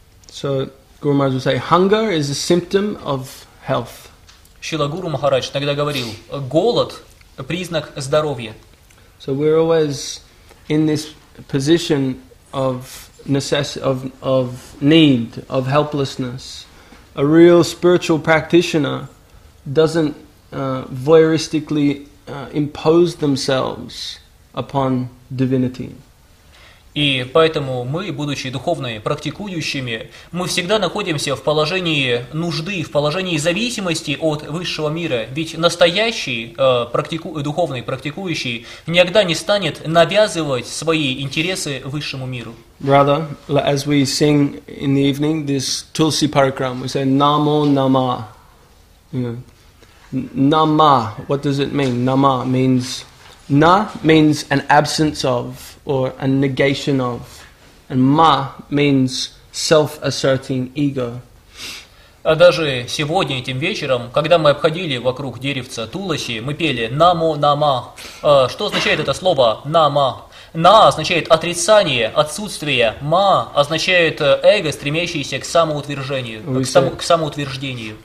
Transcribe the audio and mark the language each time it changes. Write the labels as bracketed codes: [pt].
[en] So, Guru Maharaj would say, hunger is a symptom of health. [ru] Шрила Гуру Махарадж тогда говорил, голод – признак здоровья. [en] So, we're always in this position of necessity of need, of helplessness. A real spiritual practitioner doesn't voyeuristically impose themselves upon divinity. [ru] И поэтому мы, будучи духовными практикующими, мы всегда находимся в положении нужды, в положении зависимости от высшего мира, ведь настоящий духовный практикующий никогда не станет навязывать свои интересы высшему миру. [en] Rather, as we sing in the evening, this Tulsi Parikram, we say Namo Nama. Nama, what does it mean? Nama means, na means an absence of, or a negation of, and ma means self-asserting ego. [ru] А даже сегодня этим вечером, когда мы обходили вокруг деревца Туласи, мы пели Namo Nama. Что означает это слово Nama? На означает отрицание, отсутствие. Ма означает эго, стремящееся к самоутверждению, к самоутверждению.